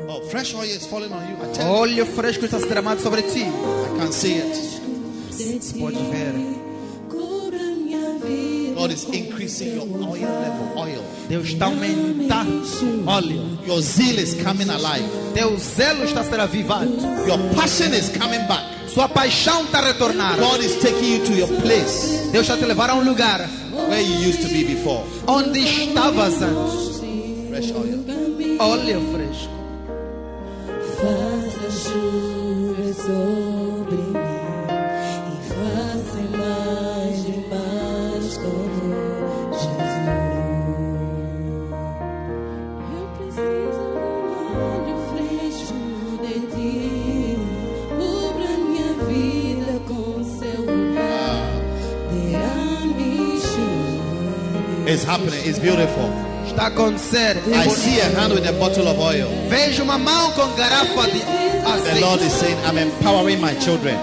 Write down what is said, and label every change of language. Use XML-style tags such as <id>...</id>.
<en>Fresh oil is falling on you. I tell you.</en> <pt>Óleo fresco está se derramando sobre ti.</pt> <en>I can see it.</en> <pt>Pode ver.</pt> <en>God is increasing your oil level. Oil.</en> <pt>Deus está aumentando óleo.</pt> <en>Your zeal is coming alive.</en> <pt>Teu zelo está sendo avivado.</pt> <en>Your passion is coming back.</en> <pt>Sua paixão está retornando.</pt> <en>God is taking you to your place.</en> <pt>Deus está te levando a lugar</pt> <en>where you used to be before.</en> <pt>Onde estavas antes.</pt> <en>Fresh oil.</en> <pt>Óleo fresco. Faça chover sobre mim e faça mais de paz como Jesus. Eu preciso do óleo fresco de ti. Cubra minha vida com seu olhar. Derrame chuva.</pt> <en>It's happening, it's beautiful.</en> <pt>Está acontecendo.</pt> <en>I see a hand with a bottle of oil.</en> <pt>Vejo uma mão com garrafa de azeite.</pt> <en>The Lord is saying, I'm empowering my children.</en>